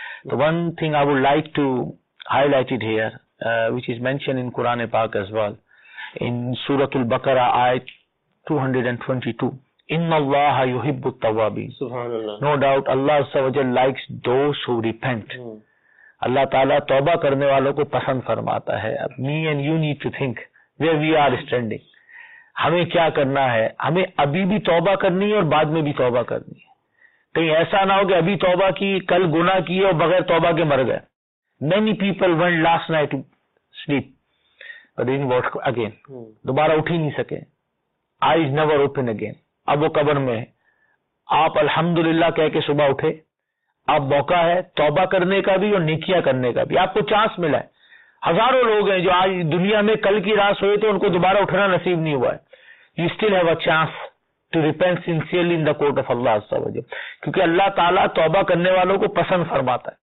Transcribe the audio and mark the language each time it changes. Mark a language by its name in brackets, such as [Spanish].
[English] The one thing I would like to highlight it here, which is mentioned in Quran Pak as well, in Surah Al-Baqarah, Ayat 222. [Arabic] إِنَّ اللَّهَ يُحِبُّ التَّوَّابِينَ. [English] SubhanAllah. No doubt, Allah Azzawajal likes those who repent. [Urdu] Allah Ta'ala توبہ کرنے والوں کو پسند فرماتا ہے. [English] Me and you need to think where we are standing. [Urdu] ہمیں کیا کرنا ہے, ہمیں ابھی بھی توبہ کرنی ہے اور بعد میں بھی توبہ کرنی ہے. کہیں ایسا نہ ہو کہ ابھی توبہ کی, کل گناہ کی اور بغیر توبہ کے مر گئے. [English] Many people went last night to sleep, but then what again? [Urdu] دوبارہ اٹھ ہی نہیں سکے. [English] Eyes never open again. [Urdu] اب وہ قبر میں ہے. آپ الحمدللہ کہہ کے صبح اٹھے, اب موقع ہے توبہ کرنے کا بھی اور نیکیاں کرنے کا بھی. آپ کو چانس ملا ہے. ہزاروں لوگ ہیں جو آج دنیا میں کل کی رات سوئے تو ان کو دوبارہ اٹھنا نصیب نہیں ہوا ہے. [English] you still have a chance to repent sincerely in the court of Allah عزوجل, [Urdu] کیونکہ اللہ تعالیٰ توبہ کرنے والوں کو پسند فرماتا ہے.